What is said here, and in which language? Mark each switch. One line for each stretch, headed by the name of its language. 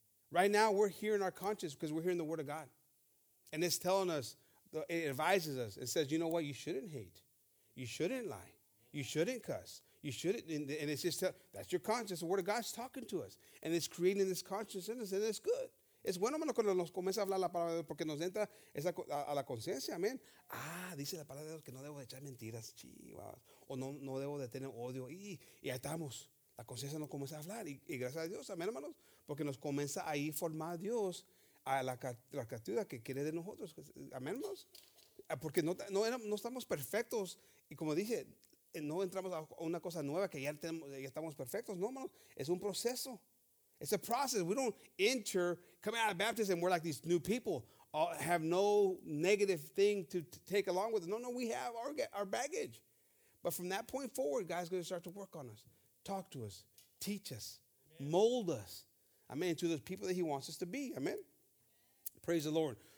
English: Right now, we're hearing our conscience because we're hearing the word of God. And it's telling us, it advises us. It says, you know what? You shouldn't hate. You shouldn't lie. You shouldn't cuss. You shouldn't. And it's just, that's your conscience. The word of God's talking to us. And it's creating this conscience in us. And it's good.
Spanish: Es bueno, hermano, cuando nos comienza a hablar la palabra de Dios porque nos entra esa a la conciencia. Amén. Ah, dice la palabra de Dios que no debo de echar mentiras. Chivas. O no debo de tener odio. Y ahí estamos. La conciencia nos comienza a hablar. Y gracias a Dios. Amén, hermanos. Porque nos comienza ahí formar Dios a la criatura que quiere de nosotros. Amén, hermanos. Porque no estamos perfectos. Y como dije, no entramos a una cosa nueva que ya estamos perfectos. No, hermanos. Es un proceso.
English: It's a process. We don't enter, coming out of baptism, we're like these new people. have no negative thing to take along with us. No, we have our baggage. But from that point forward, God's going to start to work on us, talk to us, teach us, amen, mold us, amen, to those people that he wants us to be. Amen? Praise the Lord.